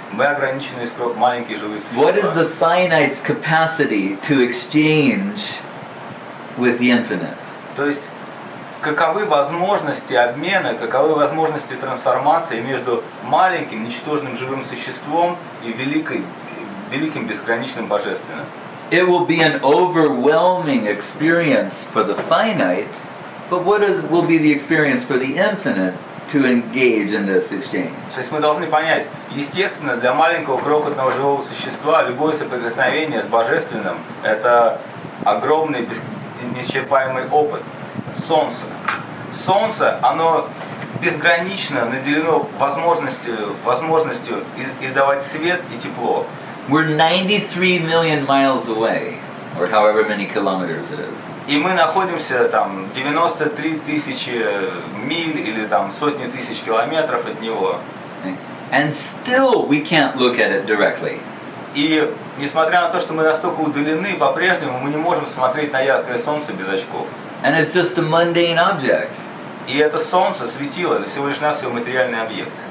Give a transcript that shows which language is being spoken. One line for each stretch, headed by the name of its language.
Russian: Мы ограниченные маленькие живые существа.
English: What is the finite's capacity to exchange with the infinite?
Russian: То есть, каковы возможности обмена, каковы возможности трансформации между маленьким ничтожным живым существом и великим безграничным божественным?
English: It will be an overwhelming experience for the finite, but what will be the experience for the infinite? To engage in this exchange.
Russian: То есть мы должны понять, естественно, для маленького крохотного живого существа любое соприкосновение с божественным — это огромный, неисчерпаемый опыт. Солнце. Солнце, оно безгранично наделено возможностью издавать свет и тепло.
English: We're 93 million miles away, or however many kilometers it is.
Russian: И мы находимся там 93 тысячи миль или там сотни тысяч километров от него.
English: And still we can't look at it directly.
Russian: И несмотря на то, что мы настолько удалены, по-прежнему мы не можем смотреть на яркое солнце без очков.
English: And it's just a mundane object.
Russian: И это солнце, светило, это всего лишь навсего материальный объект.